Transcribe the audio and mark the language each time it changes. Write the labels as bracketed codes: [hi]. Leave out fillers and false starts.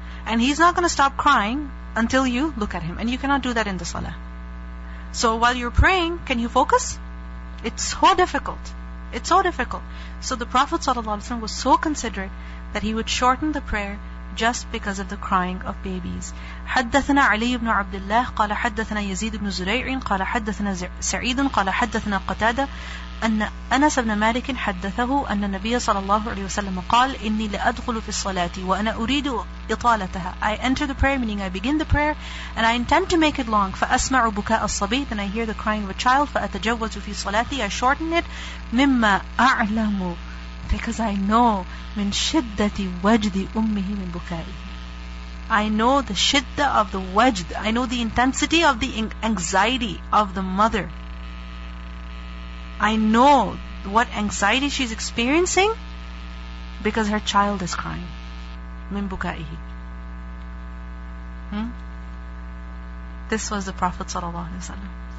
[en] And he's not going to stop crying until you look at him. And you cannot do that in the salah. So while you're praying, can you focus? It's so difficult. It's so difficult. So the Prophet ﷺ was so considerate that he would shorten the prayer just because of the crying of babies. [ar] حدثنا علي بن عبد الله قال حدثنا يزيد بن زريع قال حدثنا سعيد قال حدثنا قتادة أن أنس بن مالك حدثه أن النبي صلى الله عليه وسلم قال إني لأدخل في الصلاة وأنا أريد إطالتها. [en] I enter the prayer, meaning I begin the prayer, and I intend to make it long. [ar] فأسمع بكاء الصبي, [en] then I hear the crying of a child. [ar] فأتجوز في صلاتي, [en] I shorten it. [ar] مما أعلم, [en] because I know [ar] من شدة وجد أمه من بكائه. [en] I know the shiddah of the wajd. I know the intensity of the anxiety of the mother. I know what anxiety she's experiencing because her child is crying. Min bukaihi. This was the Prophet sallallahu alaihi wasallam.